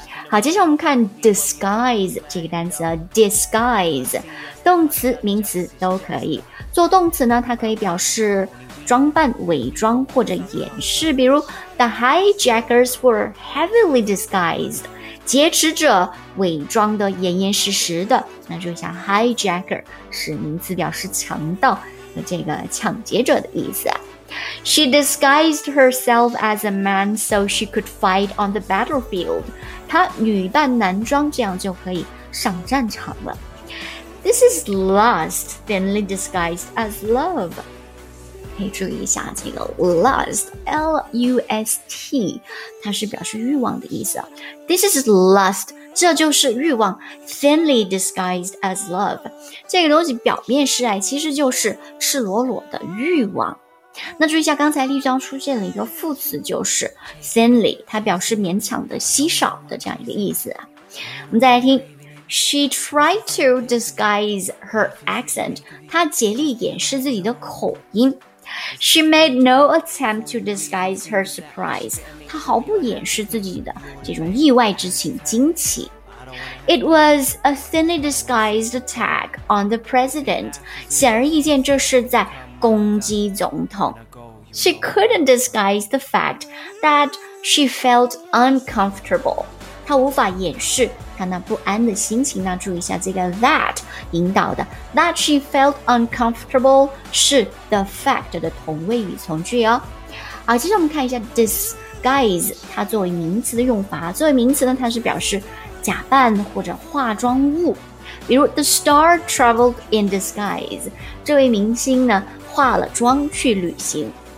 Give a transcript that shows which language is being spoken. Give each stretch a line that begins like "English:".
Chinese: 好，接下来我们看 disguise 这个单词啊。disguise 动词名词都可以，做动词呢它可以表示装扮、伪装或者掩饰，比如
English: The hijackers were heavily disguised,
Chinese: 劫持者伪装的严严实实的。那就像 hijacker 是名词表示强盗的这个抢劫者的意思。
English: She disguised herself as a man so she could fight on the battlefield.
Chinese: 她女扮男装，这样就可以上战场了。
English: This is lust thinly disguised as love.
Chinese: 可以注意一下这个 lust, L-U-S-T, 它是表示欲望的意思。
English: This is lust,
Chinese: 这就是欲望
English: thinly disguised as love.
Chinese: 这个东西表面是爱，其实就是赤裸裸的欲望。那注意一下，刚才例章出现了一个副词，就是 thinly, 它表示勉强的、稀少的这样一个意思。我们再来听。
English: She tried to disguise her accent,
Chinese: 她竭力掩饰自己的口音。
English: She made no attempt to disguise her surprise.
Chinese: 她毫不掩饰自己的这种意外之情、惊奇。
English: It was a thinly disguised attack on the president.
Chinese: 显而易见，这是在攻击总统。
English: She couldn't disguise the fact that she felt uncomfortable.
Chinese: 她无法掩饰她那不安的心情。那注意一下这个 that 引导的
English: that she felt uncomfortable
Chinese: 是 the fact 的同位语从句哦。好，接下来我们看一下 disguise, 它作为名词的用法。作为名词呢，它是表示假扮或者化妆物，比如
English: the star traveled in disguise,
Chinese: 这位明星呢化了妆去旅行。